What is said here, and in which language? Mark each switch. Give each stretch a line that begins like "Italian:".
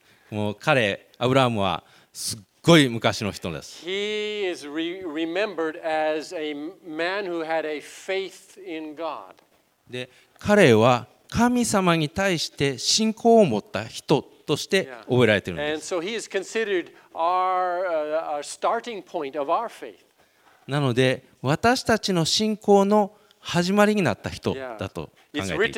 Japanese: もう彼、アブラハムはすっごい昔の人です。
English: He is remembered as a man who had a faith in God.
Japanese: で、彼は神様に対して信仰を持った人として覚えられているんです。
English: Yeah. And so he is considered our starting point of our faith.
Japanese: なので私たちの信仰の始まりになった人だと考えています。